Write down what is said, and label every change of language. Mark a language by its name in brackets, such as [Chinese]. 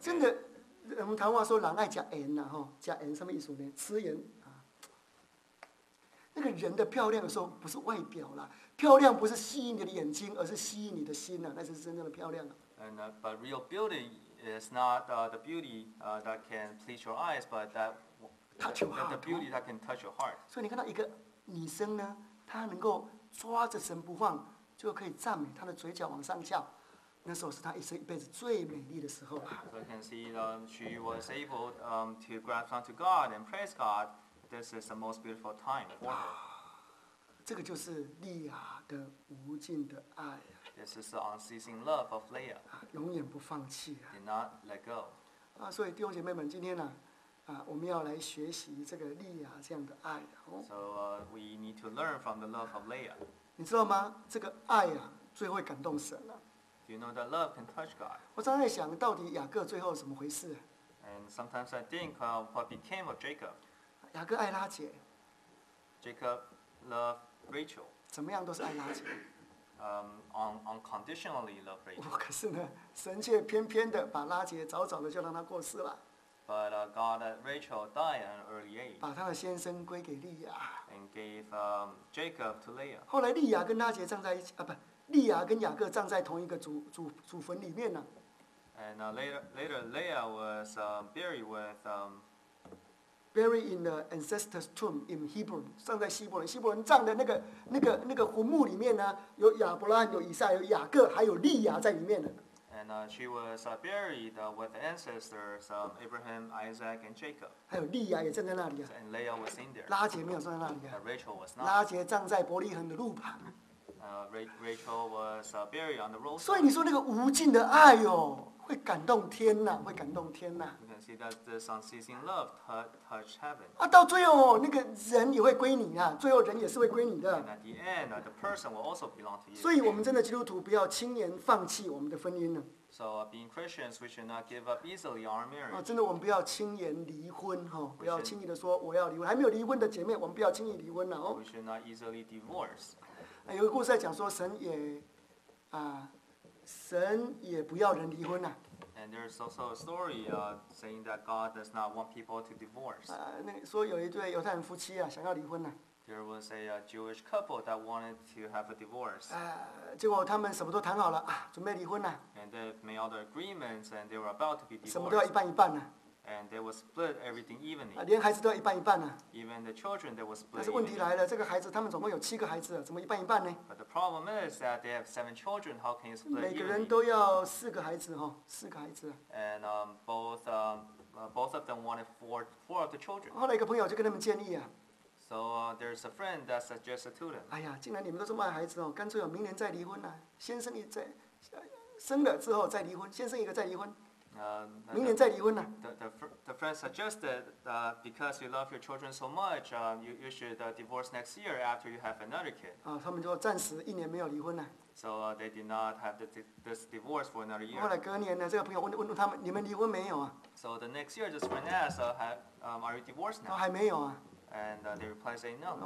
[Chinese] 真的，我们台湾话说“人爱食盐”呐，吼，食盐什么意思呢？吃盐。那个人的漂亮的时候不是外表啦，漂亮不是吸引你的眼睛，而是吸引你的心呐、啊，那才是真正的漂亮啊。 [English] And but real beauty is not the beauty that can please your eyes, but that touch your heart. The beauty that can touch your heart. [Chinese] 所以你看到一个女生呢，她能够抓着神不放，就可以赞美，她的嘴角往上翘，那时候是她一生一辈子最美丽的时候啊。 [English] So you can see she was able to grasp onto God and praise God. This is the most beautiful time for her. [Chinese] 这个就是利亚的无尽的爱。 [English] This is the unceasing love of Leah. [Chinese] 永远不放弃。 [English] Did not let go. [Chinese] 所以弟兄姐妹们，今天呢，我们要来学习这个利亚这样的爱。 [English] So we need to learn from the love of Leah. [Chinese] 你知道吗？这个爱啊，最会感动神了。 [English] Do you know that love can touch God? [Chinese] 我常在想到底雅各最后怎么回事。 [English] And sometimes I think what became of Jacob. [Chinese] 雅各爱拉姐 [English] ，Jacob loved Rachel， [Chinese] 怎么样都是爱拉姐。 [English] Unconditionally loved Rachel。 [Chinese] 可是呢，神却偏偏的把拉姐早早的就让她过世了。 [English] But God let Rachel die at an early age。 [Chinese] 把她的先生归给利亚。 [English] And gave Jacob to Leah。 [Chinese] 后来利亚跟拉姐葬在一起，利亚跟雅各葬在同一个祖坟里面呢。 [English] And later Leah was buried with Buried in the ancestor's tomb in Hebron, [Chinese] 葬在希伯伦。希伯伦葬的那个坟墓里面呢，有亚伯拉罕、有以撒、有雅各，还有利亚在里面呢。 [English] And she was buried with the ancestors of Abraham, Isaac, and Jacob. [Chinese] 还有利亚也葬在那里啊。 [English] And Leah was in there. [Chinese] 拉结没有葬在那里啊。 [English] Rachel was not. [Chinese] 拉结葬在伯利恒的路旁。 [English] Rachel was buried on the road. [Chinese] 所以你说那个无尽的爱哟、哦。会感动天呐、啊，会感动天呐、啊。 [English] You can see that this unceasing love touch heaven. [Chinese] 啊，到最后那个人也会归你啊，最后人也是会归你的。 [English] And at the end, the person will also belong to you. [Chinese] 所以，我们真的基督徒不要轻言放弃我们的婚姻呢。 [English] So being Christians, we should not give up easily our marriage. [Chinese] 真的，我们不要轻言离婚哈、哦，不要轻易的说我要离婚。还没有离婚的姐妹，我们不要轻易离婚了哦。 [English] We should not easily divorce. [Chinese] 啊、有个故事在讲说，神也啊。神也不要人离婚呐、啊。 [English] And there's also a story, saying that God does not want people to divorce. [Chinese] 那说有一对犹太人夫妻啊，想要离婚呐、啊。 [English] There was a Jewish couple that wanted to have a divorce. [Chinese] 结果他们什么都谈好了啊，准备离婚呐、啊。 [English] And they made all the agreements, and they were about to be divorced. [Chinese] 什么都要一半一半呐、啊。 [English] And they were split everything evenly. [Chinese] 连孩子都要一半一半呐、啊。 [English] Even the children, they were split. [Chinese] 但是问题来了，这个孩子他们总共有七个孩子，怎么一半一半呢 [English] ？But the problem is that they have seven children. How can you split evenly? [Chinese] 每个人都要四个孩子哈、哦，四个孩子。 [English] And both of them wanted four of the children. [Chinese] 后来一个朋友就跟他们建议啊。 [English] So there's a friend that suggested to them. [Chinese] 哎呀，既然你们都这么爱孩子哦，干脆哦，明年再离婚呐、啊，先生一再生了之后再离婚，先生一个再离婚。明年再离婚呢、啊、 [English] The friend suggested because you love your children so much, you should divorce next year after you have another kid. [Chinese] 他们就暂时一年没有离婚了、 [English] 啊。So they did not have this divorce for another year. [Chinese] 后来隔年呢，这个朋友问他们，你们离婚没有啊 [English] ？So the next year, this friend asked, are you divorced now? [Chinese] 还没有啊。 [English] And they replied, saying no.